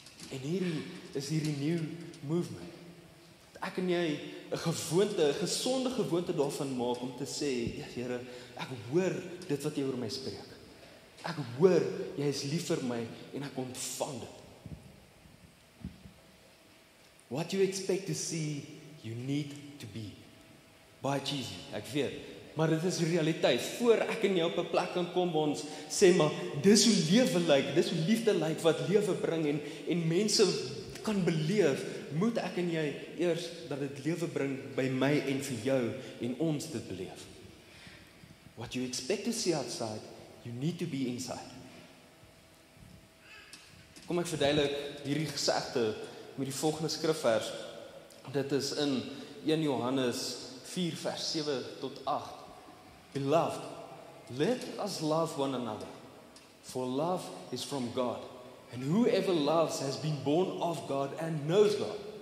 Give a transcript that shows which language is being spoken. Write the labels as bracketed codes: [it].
[af] En hierdie is hierdie [en] new movement. [af] Ek en jy, 'n gewoonte, 'n gesonde gewoonte daarvan maak, om te sê, ja, Here, ek hoor dit wat jy oor my spreek. Ek hoor, jy is lief vir my, en ek ontvang dit. [en] What you expect to see, you need to be. [af] Baie cheesy, ek weet. Maar dit is realiteit. Voor ek en jou op 'n plek kan kom, ons sê maar, dis hoe lewe lyk, dis hoe liefde lyk, wat lewe bring en mense kan beleef, moet ek en jy eers dat dit lewe bring by my en vir jou en ons dit beleef. [en] What you expect to see outside, you need to be inside. [af] Kom ek verduidelik hierdie gesegde met die volgende skrifvers. Dit is in 1 Johannes 4 vers 7 tot 8. [en] Beloved, let us love one another, for love is from God, and whoever loves has been born of God and knows God.